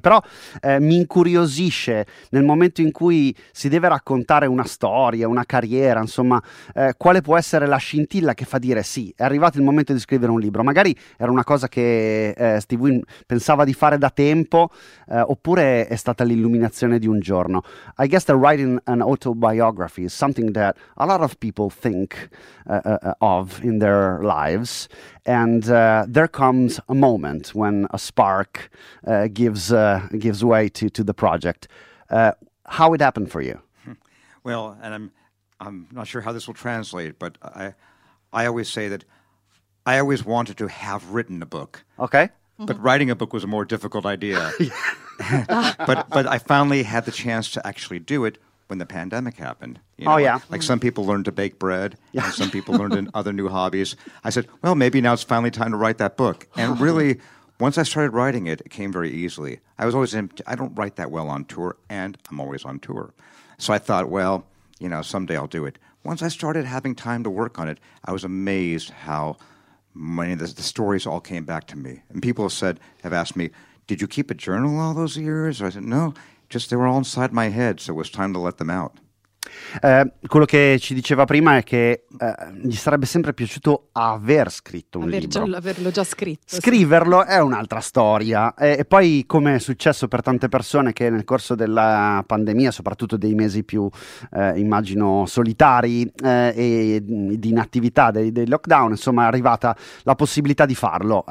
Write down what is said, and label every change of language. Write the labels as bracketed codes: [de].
[it] Però mi incuriosisce, nel momento in cui si deve raccontare una storia, una carriera, insomma, quale può essere la scintilla che fa dire sì, è arrivato il momento di scrivere un libro. Magari era una cosa che Steve Wynn pensava di fare da tempo, oppure è stata l'illuminazione di un giorno. [en] I guess that writing an autobiography is something that a lot of people think of in their lives, and there comes a moment when a spark gives way to the project. How it happened for you? Well, and I'm not sure how this will translate, but I always say that I always wanted to have written a book. Okay. Mm-hmm. But writing a book was a more difficult idea. but I finally had the chance to actually do it when the pandemic happened. You know, oh, yeah. Like some people learned to bake bread. Yeah. And some people learned in other new hobbies. I said, well, maybe now it's finally time to write that book. And really, once I started writing it, it came very easily. I was always I don't write that well on tour, and I'm always on tour. So I thought, well, you know, someday I'll do it. Once I started having time to work on it, I was amazed how many of the stories all came back to me. And people have asked me, did you keep a journal all those years? Or I said, no, just they were all inside my head, so it was time to let them out. [it] Quello che ci diceva prima è che gli sarebbe sempre piaciuto aver scritto un libro. Averlo già scritto. Scriverlo sì. È un'altra storia. E poi, come è successo per tante persone che nel corso della pandemia, soprattutto dei mesi più immagino solitari e di inattività dei lockdown, insomma, è arrivata la possibilità di farlo.